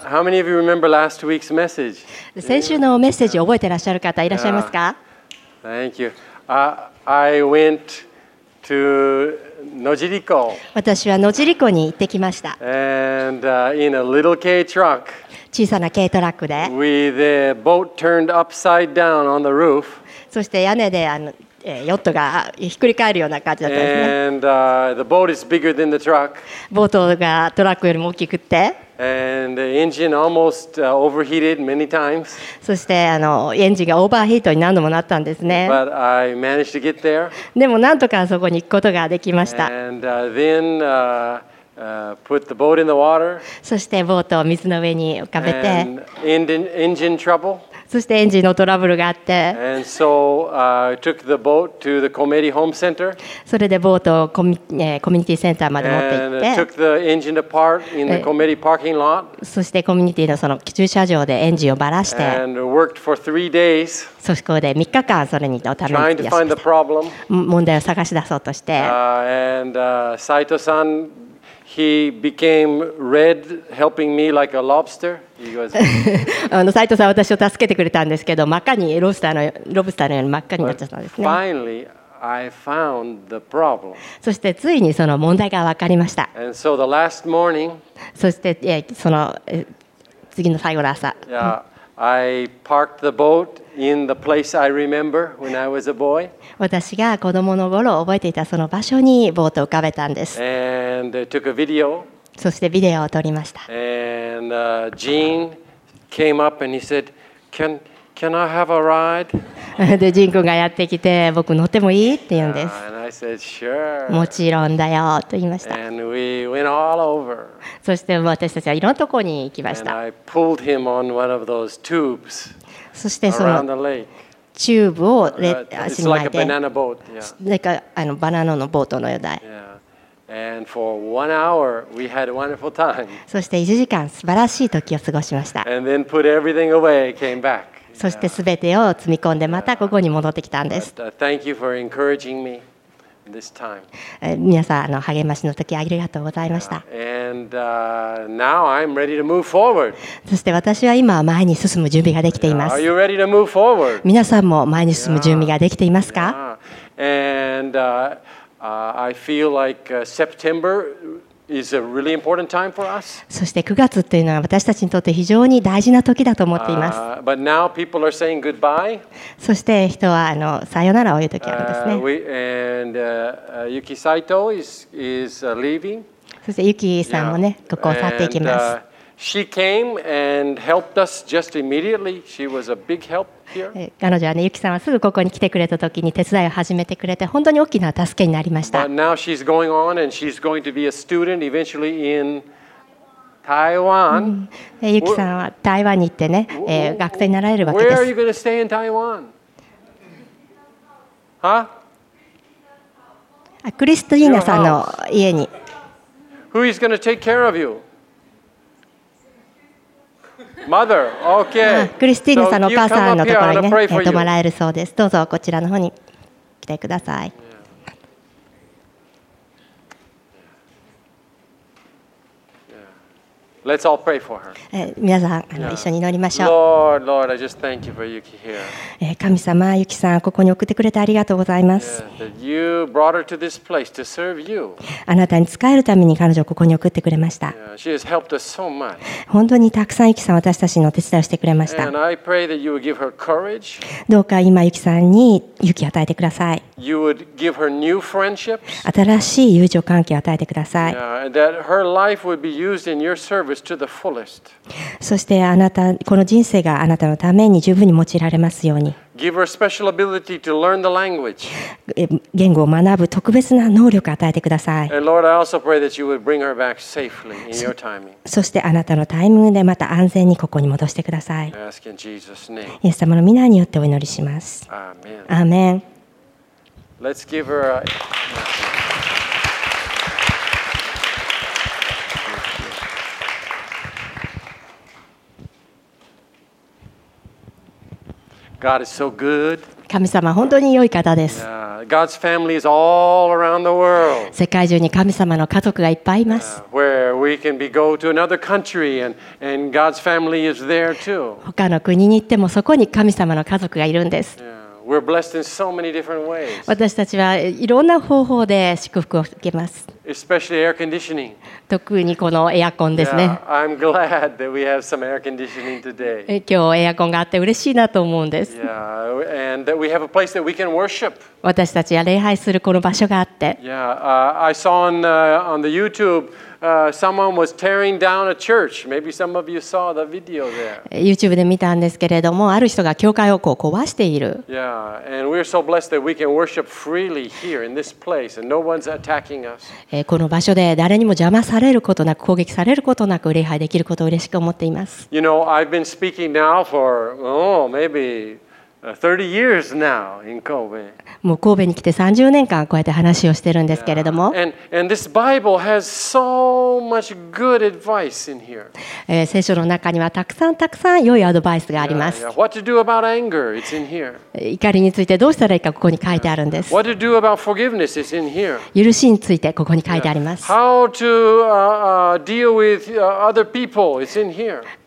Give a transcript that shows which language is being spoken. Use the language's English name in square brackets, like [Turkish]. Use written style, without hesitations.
[English] How many of you remember last week's message? [Japanese] 先週のメッセージを覚えてらっしゃる方いらっしゃいますか？ [English] Thank you. I went to Nojiriko. [Japanese] 私は野尻湖に行ってきました。 [English] And in a little K truck. [Japanese] 小さな軽トラックで。 [English] With the boat turned upside down on the roof. [Japanese] そして屋根でヨットがひっくり返るような感じだったんですね。 [English] And, the boat is bigger than the truck. [Japanese] ボートがトラックよりも大きくって。 [English] And the engine almost overheated many times. [Japanese] そしてエンジンがオーバーヒートに何度もなったんですね。 [English] But I managed to get there. [Japanese] でもなんとかそこに行くことができました。 [English] And then, put the boat in the water. [Japanese] そしてボートを水の上に浮かべて。 [English] And engine trouble. [Japanese] そしてエンジンのトラブルがあって、それでボートをコミュニティセンターまで持って行って、そしてコミュニティのその駐車場でエンジンをばらして、そこで3日間それにのために問題を探し出そうとして、 [English] 斉藤さん。He became red, helping me like a lobster. He was. [Japanese] 斉藤さんは私を助けてくれたんですけど、真っ赤にロブスターのように真っ赤になっちゃったんですね。 [English] Finally, I found the problem. [Japanese] そしてついにその問題が分かりました。 [English] And so the last morning. [Japanese] そしてその次の最後の朝。 [English] Yeah, I parked the boat in the place I remember when I was a boy. [Japanese] 私が子供の頃覚えていたその場所にボートを浮かべたんです。 [English] And took a video. [Japanese] そしてビデオを撮りました。 [English] And, Gene came up and he said, can I have a ride? [Japanese] でジン君がやってきて僕乗ってもいいって言うんです。 [English] And I said, sure. [Japanese] もちろんだよと言いました。 [English] And we went all over. [Japanese] そして私たちはいろんなところに行きました。 [English] And I pulled him on one of those tubes. [Japanese] そしてそのチューブを足に巻いて、なんかバナナのボートのようだ。 [English] And for one hour, we had a wonderful time. [Japanese] そして1時間素晴らしい時を過ごしました。 [English] And then put everything away, came back. [Japanese] そして全てを積み込んでまたここに戻ってきたんです。 [English] Thank you for encouraging me this time. [Japanese] 皆さん励ましの時ありがとうございました。 [English] And now I'm ready to move forward. [Japanese] そして私は今前に進む準備ができています。 [English] Are you ready to move forward? [Japanese] 皆さんも前に進む準備ができていますか？ [English] And I feel like September is a really important time for us. [Japanese] そして9月というのは私たちにとって非常に大事な時だと思っています。 [English] But now people are saying goodbye. [Japanese] そして人はさよならを言う時あるんですね。 [English] And Yuki Saito is leaving. [Japanese] そしてユキさんもね、ここを去っていきます。 [English] She came and helped us just immediately. She was a big help here. [Japanese] 彼女はね、ユキさんはすぐここに来てくれた時に手伝いを始めてくれて、本当に大きな助けになりました。 [English] But now she's going on and she's going to be a student eventually in Taiwan. [Japanese] ユキさんは台湾に行ってね、学生になられるわけです。 [English] Where are you going to stay in Taiwan? Huh? [Japanese] クリスティーナさんの家に。 [English] Who is going to take care of you? Mother, okay. [Japanese] クリスティーヌさんのお母さんのところにね、泊まられるそうです。どうぞこちらの方に来てください。 [English] Let's all pray for her. [Japanese] 皆さん一緒に祈りましょう。 [English] Lord, Lord, I just thank you for Yuki here. [Japanese] 神様、ユキさんここに送ってくれてありがとうございます。 [English] You brought her to this place to serve you. [Japanese] あなたに仕えるために彼女をここに送ってくれました。 [English] She has helped us so much. [Japanese] 本当にたくさんユキさん私たちの手伝いをしてくれました。 [English] And I pray that you would give her courage. [Japanese] どうか今ユキさんに勇気を与えてください。 [English] You would give her new friendships. [Japanese] 新しい友情関係を与えてください。 [English] That her life would be used in your service. [Japanese] そしてあなたこの人生があなたのために十分に用いられますように。 [English] Give her special ability to learn the language. [Japanese] 言語を学ぶ特別な能力を与えてください。 [English] And Lord, I also pray that you would bring her back safely in your timing. [Japanese] そしてあなたのタイミングでまた安全にここに戻してください。 [English] I ask in Jesus' name. [Japanese] イエス様の名によってお祈りします。アーメン。 [English] Let's give her a... God is so good. [Japanese] 神様本当に良い方です。 [English] Yeah. God's family is all around the world. [Japanese] 世界中に神様の家族がいっぱいいます。 [English] Where we can be go to another country and God's family is there too. [Japanese] 他の国に行ってもそこに神様の家族がいるんです。 [English] We're blessed in so many different ways. [Japanese] 私たちはいろんな方法で祝福を受けます。 [English] Especially air conditioning. [Japanese] 特にこのエアコンですね。 [English] Yeah, I'm glad that we have some air conditioning today. [Japanese] 今日エアコンがあって嬉しいなと思うんです。 [English] Yeah, and that we have a place that we can worship. [Japanese] 私たちが礼拝するこの場所があって。 [English] Yeah, I saw on the YouTube. Someone was tearing down a church. Maybe some of you saw the video there. [Japanese] YouTube で見たんですけれども、ある人が教会をこう壊している。 [English] Yeah, and we're so blessed that we can worship freely here in this place, and no one's attacking us. [Japanese] この場所で誰にも邪魔されることなく、攻撃されることなく礼拝できることを嬉しく思っています。 [English] You know, I've been speaking now for maybe 30 years now in Kobe. [Japanese] もう神戸に来て30年間こうやって話をしてるんですけれども、 [English] And this Bible has so much good advice in here. [Japanese] 聖書の中にはたくさんたくさん良いアドバイスがあります。 [English] What to do about anger? It's in here. [Japanese] 怒りについてどうしたらいいかここに書いてあるんです。 [English] What to do about forgiveness? It's in here. [Japanese] 許しについてここに書いてあります。 [English] How to deal with other people? It's in here.